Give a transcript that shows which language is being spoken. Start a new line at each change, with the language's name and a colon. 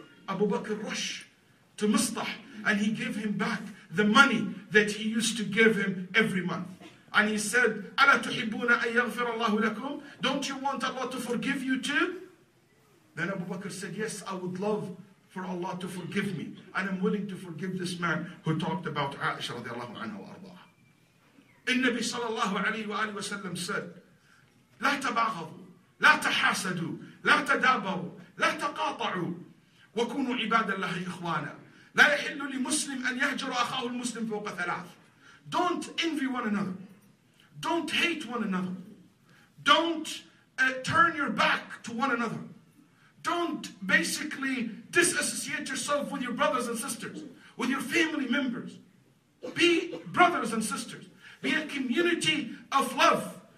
English: Abu Bakr rushed to Misbah and he gave him back the money that he used to give him every month. And he said,
Arabic: أَلَا تُحِبُّونَ أَن يَغْفِرَ اللَّهُ لَكُمْ,
English: don't you want Allah to forgive you too? Then Abu Bakr said, yes, I would love for Allah to forgive me. And I'm willing to forgive this man who talked about Aisha radiallahu anha wa arda.
Arabic: النبي صلى الله عليه وآله وسلم
English: said,
Arabic: لا تباغضوا, لا تحاسدوا, لا تدابروا, لا تقاطعوا, وكونوا عبادا الله إخوانا. لا يحل لمسلم أن يهجر أخاه المسلم فوق ثلاث.
English: Don't envy one another. Don't hate one another. Don't turn your back to one another. Don't basically disassociate yourself with your brothers and sisters, with your family members. Be brothers and sisters. Be a community of love.